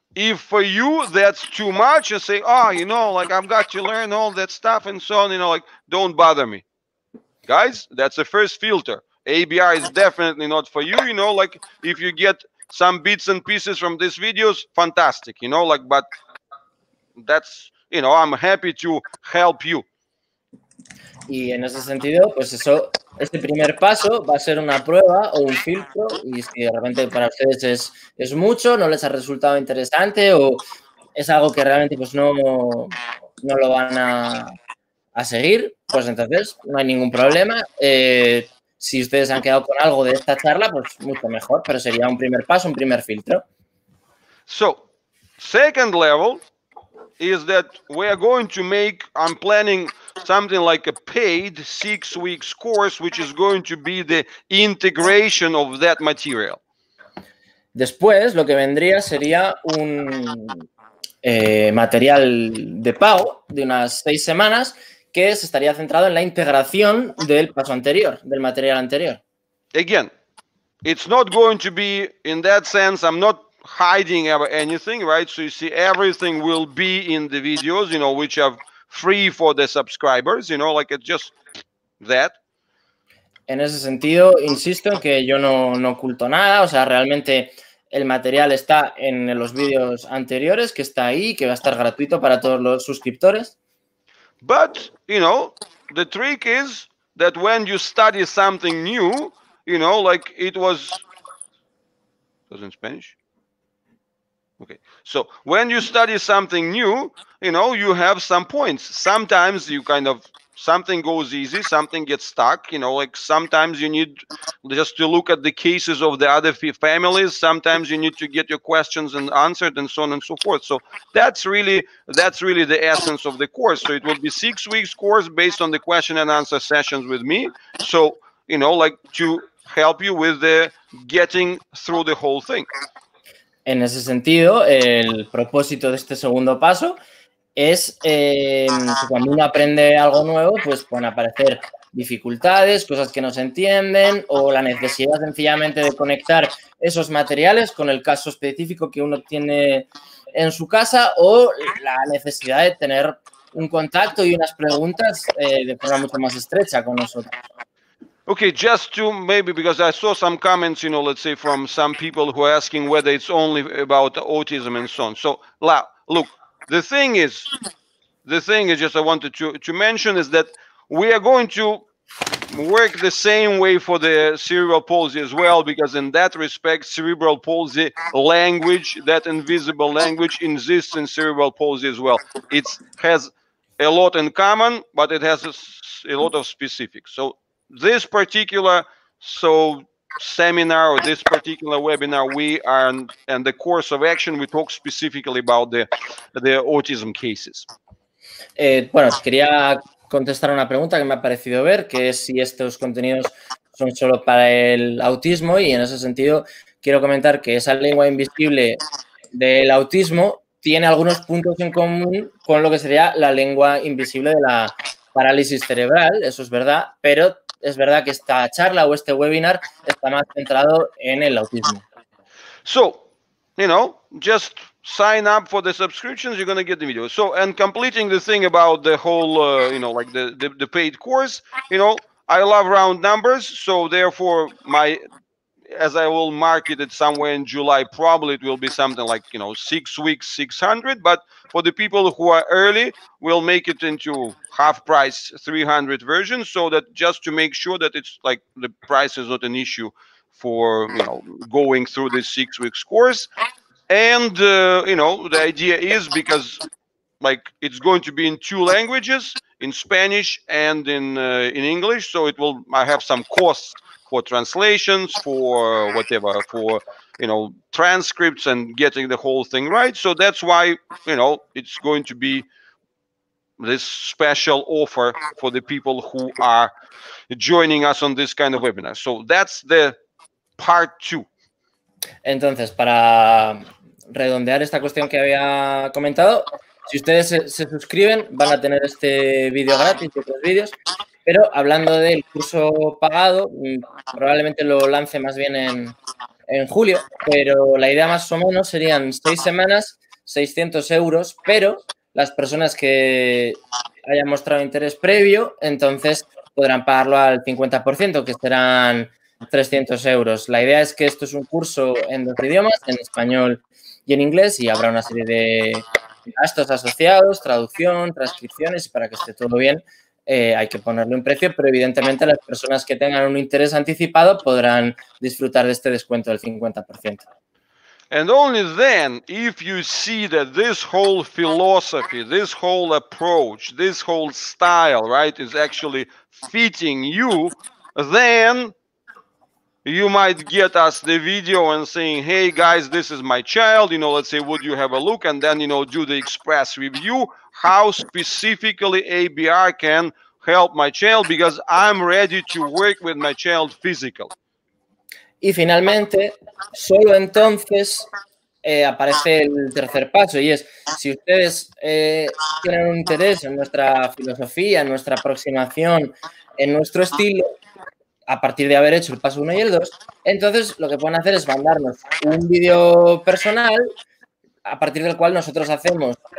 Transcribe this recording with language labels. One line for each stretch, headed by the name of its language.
English: If for you that's too much, you say, oh, you know, like I've got to learn all that stuff and so on, you know, like don't bother me. Guys, that's the first filter. ABI is definitely not for you, you know, like if you get some bits and pieces from these videos, fantastic, you know, like, but that's, you know, I'm happy to help you.
Spanish: Y en ese sentido, pues eso, este primer paso va a ser una prueba o un filtro, y si de repente para ustedes es mucho, no les ha resultado interesante o es algo que realmente pues no lo van a seguir, pues entonces no hay ningún problema. Si ustedes han quedado con algo de esta charla, pues mucho mejor, pero sería un primer paso, un primer filtro.
English: So, second level is that we are going to make, I'm planning something like a paid 6 weeks course, which is going to be the integration of that material.
Spanish: Después, lo que vendría sería un material de pago de unas 6 semanas que se estaría centrado en la integración del paso anterior, del material anterior.
English: Again, it's not going to be, in that sense, I'm not hiding ever anything, right? So you see, everything will be in the videos, you know, which are free for the subscribers, you know, like it's just that.
Spanish: En ese sentido, insisto en que yo no oculto nada, o sea, realmente el material está en los videos anteriores, que está ahí, que va a estar gratuito para todos los suscriptores.
English: But, you know, the trick is that when you study something new, you know, like it was, was in Spanish? Okay, so when you study something new, you know, you have some points. Sometimes you kind of, something goes easy, something gets stuck, you know, like sometimes you need just to look at the cases of the other families, sometimes you need to get your questions and answered and so on and so forth. So that's really the essence of the course. So it will be 6 weeks course based on the question and answer sessions with me. So, you know, like to help you with the getting through the whole thing.
Spanish: En ese sentido, el propósito de este segundo paso es que cuando uno aprende algo nuevo, pues pueden aparecer dificultades, cosas que no se entienden o la necesidad sencillamente de conectar esos materiales con el caso específico que uno tiene en su casa o la necesidad de tener un contacto y unas preguntas de forma mucho más estrecha con nosotros.
English: Okay, just to maybe, because I saw some comments, you know, let's say from some people who are asking whether it's only about autism and so on. So, look, the thing is just I wanted to mention is that we are going to work the same way for the cerebral palsy as well, because in that respect, cerebral palsy language, that invisible language exists in cerebral palsy as well. It has a lot in common, but it has a lot of specifics. So, this particular seminar or this particular webinar, we are and the course of action, we talk specifically about the autism cases.
Spanish: Bueno, quería contestar una pregunta que me ha parecido ver, que es si estos contenidos son solo para el autismo, y en ese sentido quiero comentar que esa lengua invisible del autismo tiene algunos puntos en común con lo que sería la lengua invisible de la parálisis cerebral, eso es verdad, pero es verdad que esta charla o este webinar está más centrado en el autismo.
English: So, you know, just sign up for the subscriptions, you're going to get the video. So, and completing the thing about the whole, you know, like the paid course, you know, I love round numbers, so therefore my, as I will market it somewhere in July, probably it will be something like, you know, 6 weeks, 600, but for the people who are early, we'll make it into half price 300 version, so that just to make sure that it's like the price is not an issue for, you know, going through this 6 weeks course. And, you know, the idea is because like it's going to be in two languages, in Spanish and in English, so it will, I have some costs for translations, for whatever, for, you know, transcripts and getting the whole thing right. So that's why, you know, it's going to be this special offer for the people who are joining us on this kind of webinar. So that's the part two.
Spanish: Entonces, para redondear esta cuestión que había comentado, si ustedes se suscriben, van a tener este vídeo gratis y otros vídeos. Pero hablando del curso pagado, probablemente lo lance más bien en julio, pero la idea más o menos serían 6 semanas, 600 euros, pero las personas que hayan mostrado interés previo, entonces podrán pagarlo al 50%, que serán 300 euros. La idea es que esto es un curso en 2 idiomas, en español y en inglés, y habrá una serie de gastos asociados, traducción, transcripciones, y para que esté todo bien, hay que ponerle un precio, pero evidentemente las personas que tengan un interés anticipado podrán disfrutar de este descuento del 50%.
English: And only then, if you see that this whole philosophy, this whole approach, this whole style, right, is actually fitting you, then you might get us the video and saying, hey, guys, this is my child, you know, let's say, would you have a look? And then, you know, do the express review, how specifically ABR can help my child, because I'm ready to work with my child physically.
Spanish: Y finalmente, solo entonces aparece el tercer paso, y es, si ustedes tienen un interés en nuestra filosofía, en nuestra aproximación, en nuestro estilo, a partir de haber hecho el paso 1 y el 2, entonces lo que pueden hacer es mandarnos un vídeo personal, a partir del cual nosotros hacemos